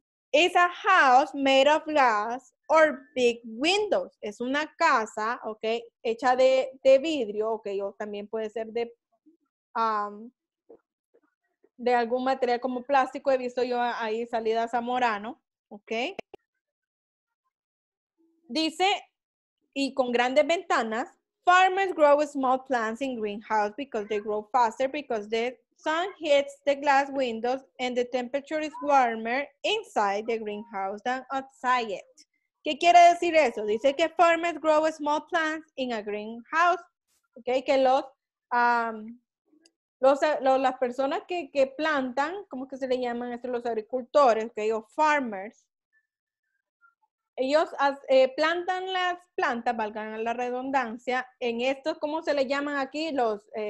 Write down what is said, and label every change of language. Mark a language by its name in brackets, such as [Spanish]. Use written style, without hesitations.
[English] It's a house made of glass or big windows. [Spanish] Es una casa, ¿ok? Hecha de vidrio, ¿ok? O también puede ser de algún material como plástico. He visto yo ahí salida Zamorano, ¿ok? Dice, y con grandes ventanas, [English] farmers grow small plants in greenhouse because they grow faster because they... sun hits the glass windows and the temperature is warmer inside the greenhouse than outside it. [Spanish] ¿Qué quiere decir eso? Dice que [English] farmers grow small plants in a greenhouse. [Spanish] Ok, que las personas que plantan, ¿cómo que se le llaman esto? Los agricultores, ok, o farmers. Ellos plantan las plantas, valga la redundancia, en estos, ¿cómo se le llaman aquí? Los...